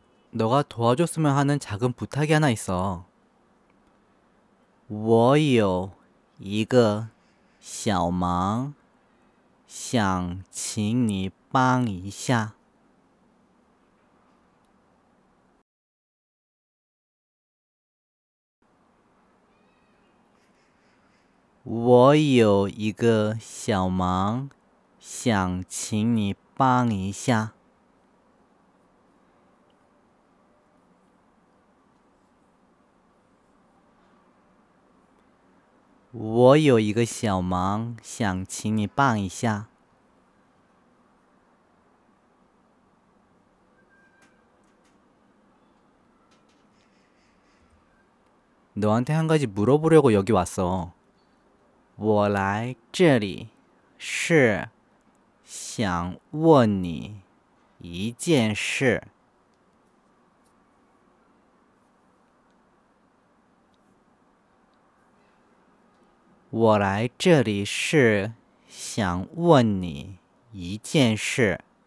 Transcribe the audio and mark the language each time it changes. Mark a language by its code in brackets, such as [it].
[ko] 너가 도와줬으면 하는 작은 부탁이 하나 있어. [zh] 我有一个小忙，想请你帮一下。我有一个小忙，想请你帮一下。我有一个小忙，想请你帮一下。 [ko] 너한테 한 가지 물어보려고 여기 왔어. [zh] 我来这里是想问你一件事。我来这里是想问你一件事。